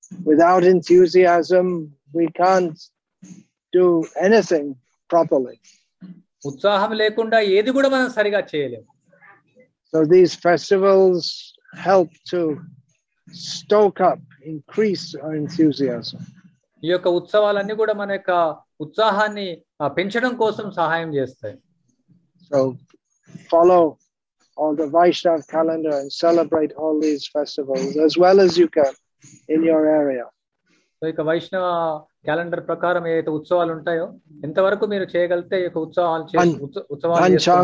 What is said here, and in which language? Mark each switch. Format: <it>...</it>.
<en>Without enthusiasm, we can't do anything properly.</en> <te>ఉత్సాహం లేకుండా ఏది కూడా మనం సరిగా చేయలేము.</te> <en>So these festivals help to stoke up, increase our enthusiasm.</en> <te>ఈ యొక్క ఉత్సవాలన్నీ కూడా మన యొక్క ఉత్సాహాన్ని పెంచడం కోసం సహాయం చేస్తాయి.</te> <en>So follow all the Vaishnav calendar and celebrate all these festivals as well as you can in your area.</en> <te>ఇక వైష్ణవ క్యాలెండర్ ప్రకారం ఏదైతే ఉత్సవాలు ఉంటాయో ఎంతవరకు మీరు చేయగలిగితే ఈ యొక్క ఉత్సవాలు</te>